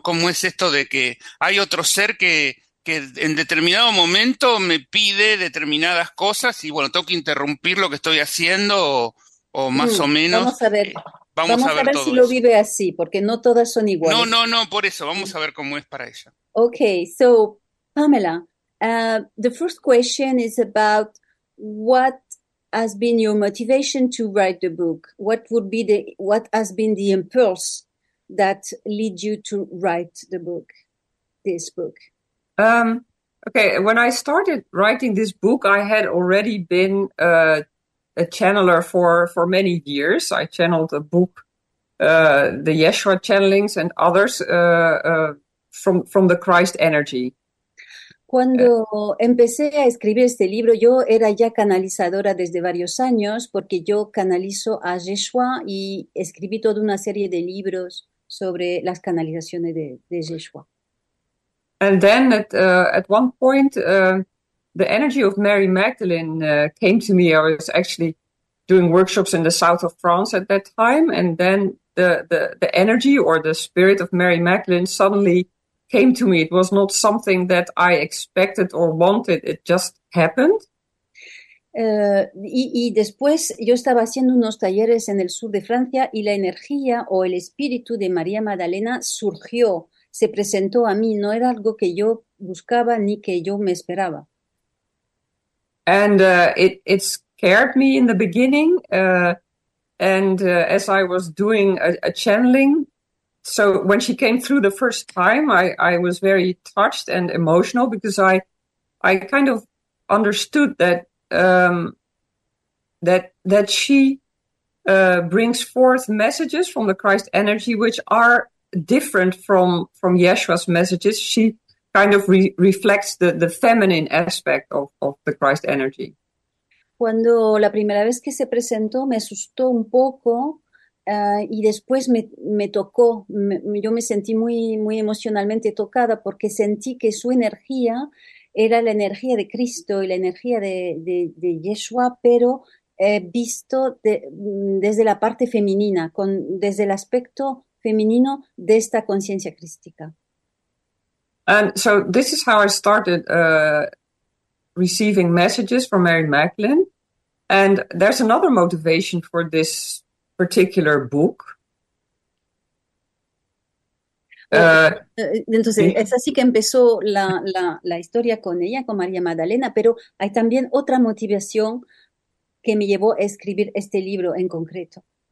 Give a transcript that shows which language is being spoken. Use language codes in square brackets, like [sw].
[es] ¿Cómo es esto de que hay otro ser que en determinado momento me pide determinadas cosas y, bueno, tengo que interrumpir lo que estoy haciendo o más o menos? Vamos a ver. Vamos a ver todo si eso. Lo vive así, porque no todas son iguales. No, por eso. Vamos a ver cómo es para ella. [en] Okay, so, Pamela, the first question is about what has been your motivation to write the book? What has been the impulse that led you to write the book, this book? Okay, when I started writing this book, I had already been a channeler for many years. I channeled a book, the Yeshua channelings and others from the Christ energy. [es] Cuando empecé a escribir este libro, yo era ya canalizadora desde varios años porque yo canalizo a Yeshua y escribí toda una serie de libros sobre las canalizaciones de Yeshua. [en] And then at one point, the energy of Mary Magdalene came to me. I was actually doing workshops in the south of France at that time. And then the energy or the spirit of Mary Magdalene suddenly came to me. It was not something that I expected or wanted. It just happened. [es] Y después yo estaba haciendo unos talleres en el sur de Francia y la energía o el espíritu de María Magdalena surgió, se presentó a mí. No era algo que yo buscaba ni que yo me esperaba. [en] And it scared me in the beginning. As I was doing a channeling, so when she came through the first time, I was very touched and emotional because I kind of understood that that she brings forth messages from the Christ energy which are different from Yeshua's messages. She kind of reflects the feminine aspect of the Christ energy. [es] Cuando la primera vez que se presentó me asustó un poco. Y después me tocó, yo me sentí muy, muy emocionalmente tocada porque sentí que su energía era la energía de Cristo y la energía de Yeshua, pero visto desde la parte femenina, desde el aspecto femenino de esta conciencia crística. [en] And so this is how I started receiving messages from Mary Magdalene. And there's another motivation for this particular book. [es] Entonces, es así que empezó la historia con ella, con María Magdalena, pero hay también otra motivación que me llevó a escribir este libro en concreto.